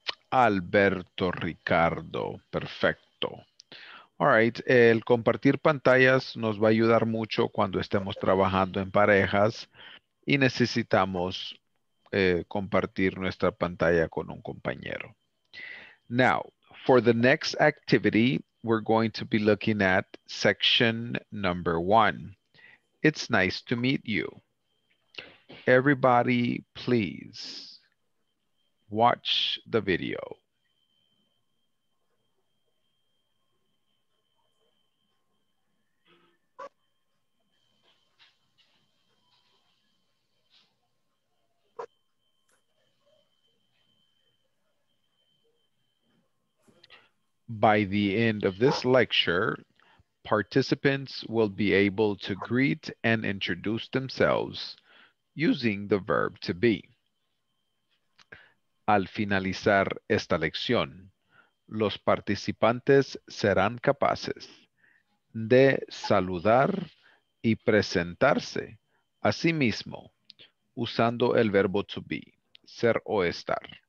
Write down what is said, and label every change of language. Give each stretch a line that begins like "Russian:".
Spanish: Alberto Ricardo, perfecto.
English: All right,
Spanish: el compartir pantallas nos va a ayudar mucho cuando estemos trabajando en parejas y necesitamos compartir nuestra pantalla con un compañero.
English: Now, for the next activity, we're going to be looking at section number 1. It's nice to meet you. Everybody, please watch the video. By the end of this lecture, participants will be able to greet and introduce themselves using the verb to be.
Spanish: Al finalizar esta lección, los participantes serán capaces de saludar y presentarse a sí mismo usando el verbo to be, ser o estar.